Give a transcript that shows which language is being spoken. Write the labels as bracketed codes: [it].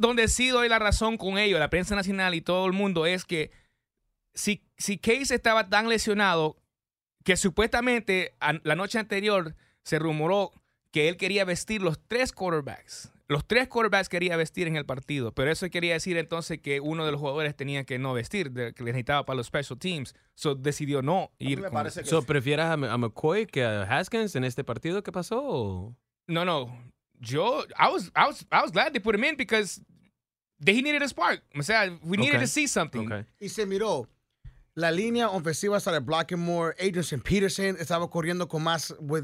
[es] Donde sí doy la razón con ellos, la prensa nacional y todo el mundo, es que si Case estaba tan lesionado que supuestamente la noche anterior se rumoró que él quería vestir los tres quarterbacks. Los tres quarterbacks quería vestir en el partido, pero eso quería decir entonces que uno de los jugadores tenía que no vestir, que le necesitaba para los special teams. [en] So [es] decidió no ir. ¿Prefieras a McCoy que a Haskins en este partido? ¿Qué pasó? No, no. Yo, [en] I was glad they put him in because he needed a spark. [es] O sea, [en] needed to see something. [es] Okay. Y se miró. La línea ofensiva sale Blackmore, Adrian Peterson estaba corriendo con más...